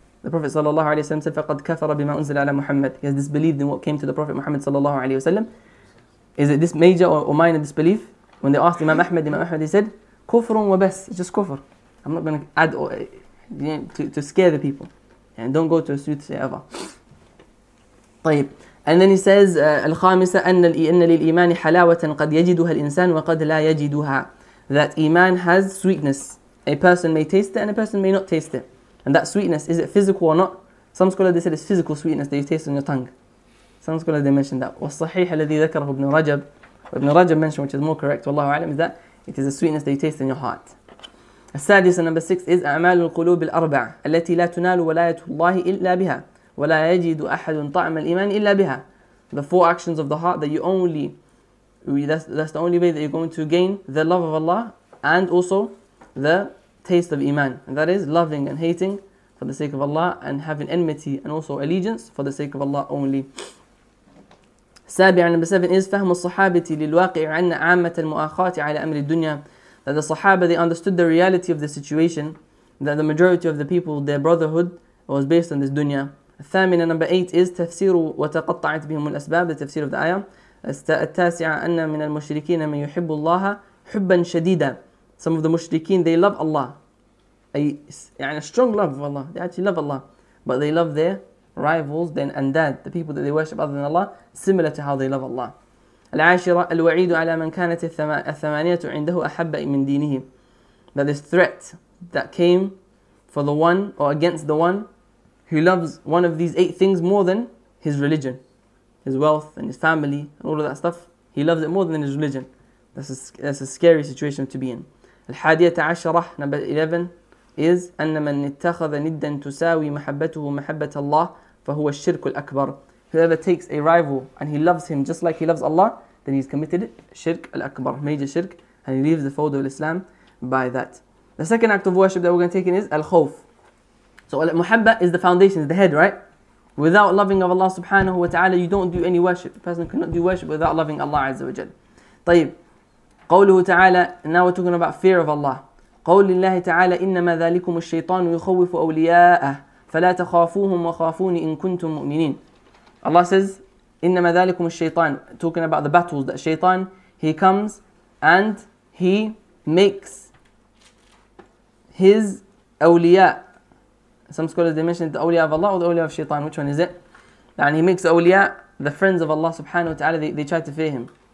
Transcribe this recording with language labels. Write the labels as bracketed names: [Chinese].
[English] The Prophet sallallahu alayhi wa sallam said, [Arabic] فَقَدْ كَفَرَ بِمَا أُنزِلَ عَلَى مُحَمَّدٍ. [English] He has disbelieved in what came to the Prophet Muhammad sallallahu alayhi wa sallam. Is it this major or minor disbelief? When they asked Imam Ahmed, he said, [Arabic] كُفْرٌ وَبَسْ. [English] It's just kufr. I'm not going to add to scare the people. And don't go to a soothsayer ever. طيب. And then he says, [Arabic] الخامسة أن للإيمان حلاوة قد يجدها الإنسان وقد لا يجدها. [English] That Iman has sweetness. A person may taste it and a person may not taste it. And that sweetness, is it physical or not? Some scholars, they said it's physical sweetness that you taste on your tongue. Some scholars, they mentioned that. [Arabic] والصحيح الذي ذكره ابن رجب. [English] Ibn Rajab mentioned, which is more correct, [Arabic] والله أعلم, [English] is that it is a sweetness that you taste in your heart. [Arabic] السادسة [English] number six is [Arabic] أعمال القلوب الأربع التي لا تنال ولاية الله إلا بها ولا يجد أحد طعم الإيمان إلا بها. [English] The four actions of the heart that you only, that's the only way that you're going to gain the love of Allah and also the taste of Iman. And that is loving and hating for the sake of Allah and having enmity and also allegiance for the sake of Allah only. [Arabic] Sabi'a, [English] number 7 is [Arabic] فهم الصحابة للواقع عن عامة المؤاخاة على أمر الدنيا. [English] That the Sahaba, they understood the reality of the situation, that the majority of the people, their brotherhood was based on this dunya. Thamina, number 8 is [Arabic] تفسير وتقطعت بهم الأسباب, [English] the tafsir of the ayah. [Arabic] التاسعة أن من المشركين من يحب الله حبا شديدا. [English] Some of the mushrikeen, they love Allah. A strong love of Allah. They actually love Allah. But they love their rivals then and that. The people that they worship other than Allah, similar to how they love Allah. [Arabic] العاشرة الوعيد على من كانت الثمانية عنده أحب من دينه. [English] That this threat that came for the one or against the one who loves one of these 8 things more than his religion, his wealth and his family and all of that stuff. He loves it more than his religion. That's a scary situation to be in. [Arabic] الحادية عشرة, [English] number 11, is [Arabic] أن من اتخذ ندا تساوي محبته محبة الله فهو الشرك الأكبر. [English] Whoever takes a rival and he loves him just like he loves Allah, then he's committed shirk al-akbar, major shirk, and he leaves the fold of Islam by that. The second act of worship that we're going to take in is al-khawf. So al-muhabba is the foundation, is the head, right? Without loving of Allah subhanahu wa ta'ala, you don't do any worship. A person cannot do worship without loving Allah azza wa jal. [Arabic] طيب, قوله تعالى, [English] now we're talking about fear of Allah. [Arabic] قول لله تعالى, إنما ذلكم الشيطان يخوف أولياءه فلا تخافوهم وخافوني إن كنتم مؤمنين. [English] Allah says, [Arabic] إِنَّمَا ذَلِكُمُ الشَّيْطَانِ, [English] talking about the battles that Shaytan, he comes and he makes his awliya. Some scholars, they mentioned the awliya of Allah or the awliya of Shaytan, which one is it? And he makes awliya, the friends of Allah subhanahu wa ta'ala, they try to fear him.